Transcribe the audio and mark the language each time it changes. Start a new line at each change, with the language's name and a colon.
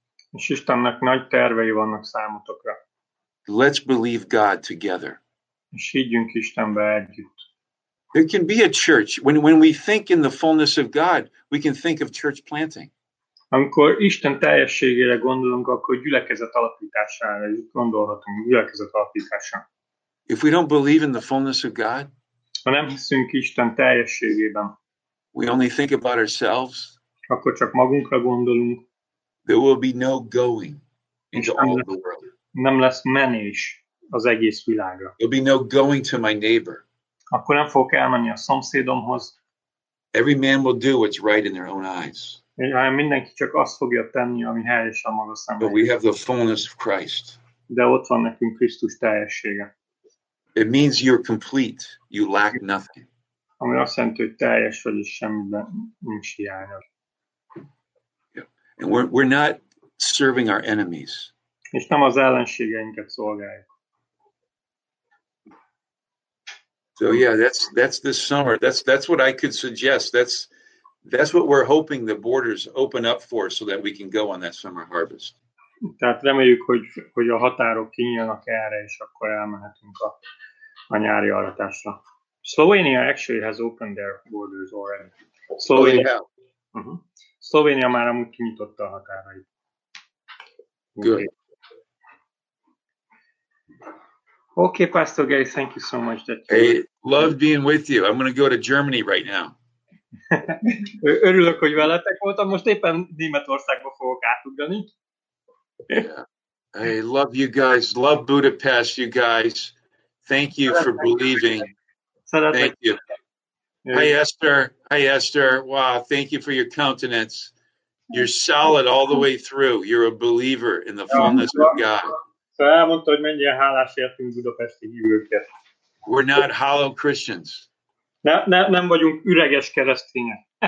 Hungarian: És Istennek nagy tervei vannak számotokra.
English: Let's believe God together.
Hungarian: És higgyünk Istenbe együtt.
English: There can be a church. When we think in the fullness of God, we can think of church planting.
Hungarian: Amikor Isten teljességére gondolunk, akkor gyülekezet alapítására gondolhatunk, gyülekezet alapítására.
English: If we don't believe in the fullness of God,
Hungarian: ha nem hiszünk Isten teljességében,
English: we only think about ourselves,
Hungarian: akkor csak magunkra gondolunk.
English: There will be no going into all the world.
Hungarian: Nem lesz menés az egész világra.
English: There will be no going to my neighbor.
Hungarian: Akkor nem fogok elmenni a szomszédomhoz.
English: Every man will do what's right in their own eyes.
Hungarian: Mindenki csak azt fogja tenni, ami helyes a maga szemében.
English: But we have the fullness of Christ.
Hungarian: De ott van nekünk Krisztus teljessége.
English: It means you're complete. You lack nothing.
Hungarian: Ami azt jelenti, hogy teljes vagy, és semmiben nincs hiányod.
English: Yeah. And we're not serving our enemies.
Hungarian: És nem az ellenségeinket szolgáljuk.
English: So yeah, that's this summer. That's what I could suggest. That's what we're hoping the borders open up for, so that we can go on that summer harvest.
Hungarian: Tehát reméljük, hogy a határok kinyílnak erre, és akkor elmehetünk a nyári aratásra.
English: Slovenia actually has opened their borders already. Slovenia. Oh, yeah. Uh-huh.
Hungarian: Slovenia már amúgy kinyitotta a határait.
English: Good. Okay, Pastor Gary, thank you so much. That hey, love being with you. I'm going to go to Germany right now.
Hungarian: Örülök, hogy veletek voltam. Most éppen Németországba fogok átugrani.
English: Yeah. I love you guys. Love Budapest, you guys. Thank you for believing. Thank you. Hi, Esther. Hi, Esther. Wow, thank you for your countenance. You're solid all the way through. You're a believer in the fullness of God.
Hungarian: Elmondta, hogy mennyire hálás értünk budapesti hívőket.
English: We're not hollow Christians.
Hungarian: Nem vagyunk üreges keresztények.